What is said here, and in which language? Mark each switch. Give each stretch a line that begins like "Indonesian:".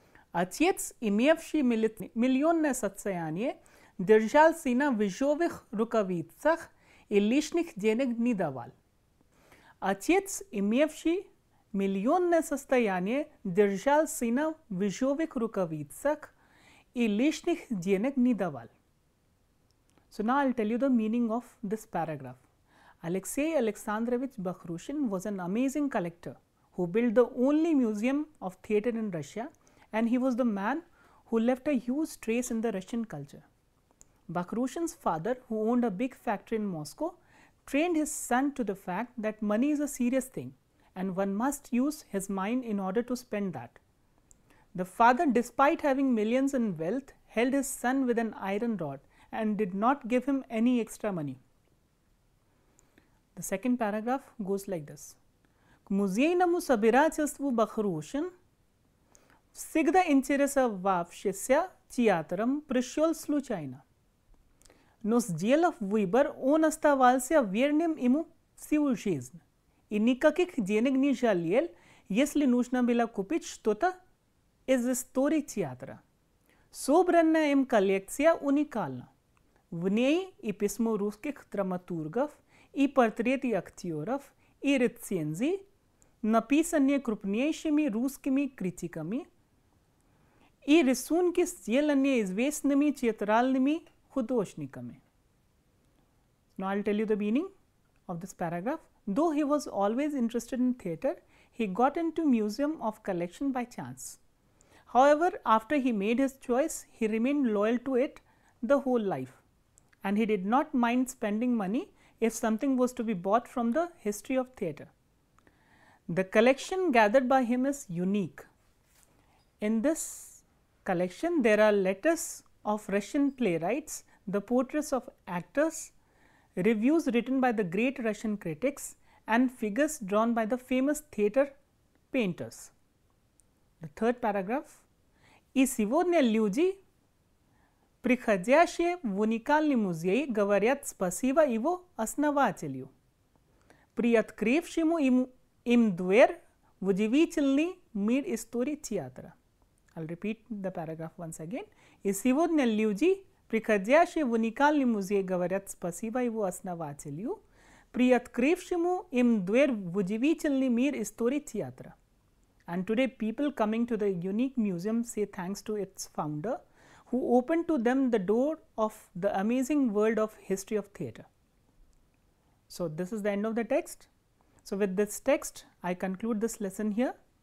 Russian: Отец, имевший миллионное состояние, держал сына в ежовых рукавицах и лишних денег не давал. Отец, имевший миллионное состояние, держал сына в ежовых рукавицах и лишних денег не давал.
English: So, now I will tell you the meaning of this paragraph. Alexei Alexandrovich Bakhrushin was an amazing collector who built the only museum of theater in Russia, and he was the man who left a huge trace in the Russian culture. Bakhrushin's father, who owned a big factory in Moscow, trained his son to the fact that money is a serious thing and one must use his mind in order to spend that. The father, despite having millions in wealth, held his son with an iron rod and did not give him any extra money. The second paragraph goes like this.
Russian: К музейному собирательству Бахрушин, всегда интересовавшийся театром, пришел случайно. Но сделав выбор, он оставался верным ему всю жизнь и никаких денег не жалел, если нужно было купить что-то из истории театра. Собранная им коллекция уникальна. В ней и письмо русских драматургов, и портреты актеров, и рецензии, написанные крупнейшими русскими критиками, и рисунки, сделанные известными театральными художниками.
English: Now, I'll tell you the meaning of this paragraph. Though he was always interested in theater, he got into museum of collection by chance. However, after he made his choice, he remained loyal to it the whole life. And he did not mind spending money if something was to be bought from the history of theater. The collection gathered by him is unique. In this collection, there are letters of Russian playwrights, the portraits of actors, reviews written by the great Russian critics, and figures drawn by the famous theater painters. The third paragraph.
Russian: И сегодня люди, приходящие в уникальный музей, говорят спасибо его основателю, приоткрывшему им дверь в удивительный мир истории театра.
English: I'll repeat the paragraph once again.
Russian: И сегодня люди, приходящие в уникальный музей, говорят спасибо его основателю, приоткрывшему им дверь в удивительный мир истории театра.
English: And today people coming to the unique museum say thanks to its founder, who opened to them the door of the amazing world of history of theater. So, this is the end of the text. So, with this text, I conclude this lesson here.